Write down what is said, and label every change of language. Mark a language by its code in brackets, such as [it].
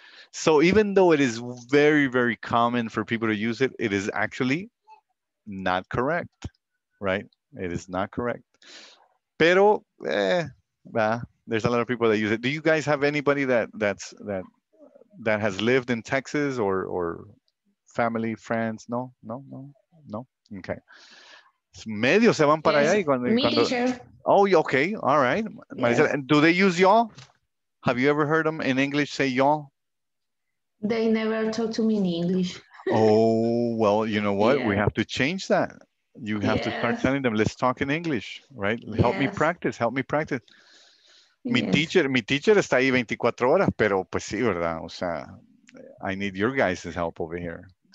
[en] So even though it is very, very common for people to use it, it is actually not correct, right? It is not correct. Pero, there's a lot of people that use it. Do you guys have anybody that has lived in Texas or family, friends? No, no, no, no, okay. [es] Medio se van para allá y cuando, [en] oh, okay, all right. Marisa, yes. And do they use y'all? Have you ever heard them in English say y'all? They never talk to me in English. Oh, well, you know what? Yeah. We have to change that. You have to start telling them, let's talk in English, right? Help me practice, help me practice. [es] Mi teacher está ahí 24 horas, pero pues sí, ¿verdad? O sea, [en] I need your guys' help over here.